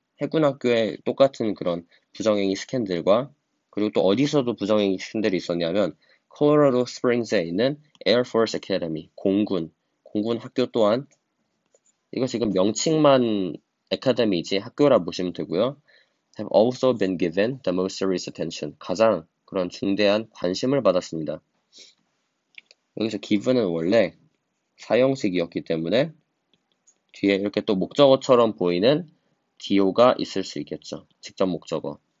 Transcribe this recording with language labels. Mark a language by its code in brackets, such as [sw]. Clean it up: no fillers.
[ko] 해군 학교에 똑같은 그런 부정행위 스캔들과 그리고 또 어디서도 부정행위 스캔들이 있었냐면 콜로라도 스프링스에 있는 Air Force Academy, 공군 학교 또한 이거 지금 명칭만 아카데미지 학교라 보시면 되고요. [en] Have also been given the most serious attention. [ko] 가장 그런 중대한 관심을 받았습니다. 여기서 given은 원래 사형식이었기 때문에 뒤에 이렇게 또 목적어처럼 보이는 do가 있을 수 있겠죠. 직접 목적어.